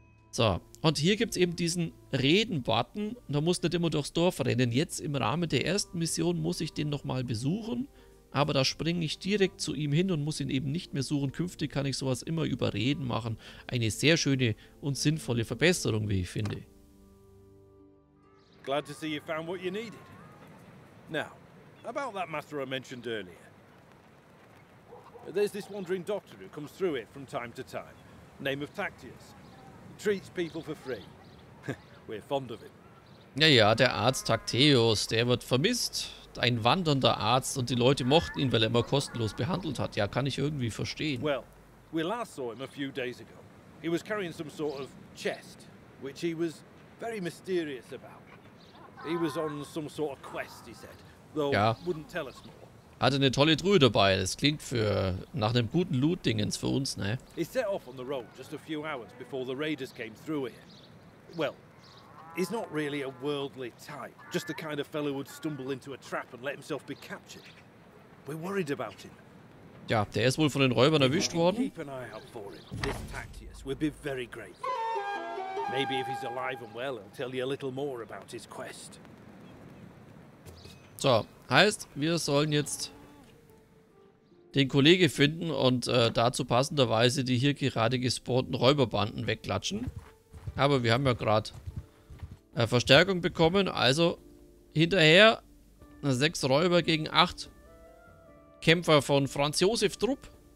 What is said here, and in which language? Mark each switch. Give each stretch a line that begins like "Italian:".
German: So, und hier gibt es eben diesen Reden-Button. Und da muss nicht immer durchs Dorf rennen. Jetzt im Rahmen der ersten Mission muss ich den nochmal besuchen. Aber da springe ich direkt zu ihm hin und muss ihn eben nicht mehr suchen. Künftig kann ich sowas immer über Reden machen. Eine sehr schöne und sinnvolle Verbesserung, wie ich finde.
English: Glad to see you found what you needed. Now, about that matter I mentioned earlier. There's this wandering doctor who comes through it from time to time. Name of Tactius. He treats people for free. We're fond of him.
German: Ja, der Arzt Tactius, der wird vermisst. Ein wandernder Arzt und die Leute mochten ihn, weil er immer kostenlos behandelt hat. Ja, kann ich irgendwie verstehen.
English: Well, we last saw him a few days ago. He was carrying some sort of chest, which he was very mysterious about. He was on some sort of quest, he said, though he wouldn't tell us more.
German: Hatte eine tolle Truhe dabei. Das klingt für nach einem guten Loot-Dingens für uns, ne?
English: He set off on the road just a few hours before the raiders came through here. Well, he's not really a worldly type, just the kind of fellow would stumble into a trap and let himself be captured. We're worried about him.
German: Ja, der ist wohl von den Räubern erwischt worden.
English: Keep an eye out for him. This Tactius would be very grateful. Maybe if he's alive and well, he'll tell you a little more about his quest.
German: So, heißt, wir sollen jetzt den Kollege finden und dazu passenderweise die hier gerade gespawnten Räuberbanden wegklatschen. Aber wir haben ja gerade Verstärkung bekommen, also hinterher 6 Räuber gegen 8 Kämpfer von Franz Josef Trupp.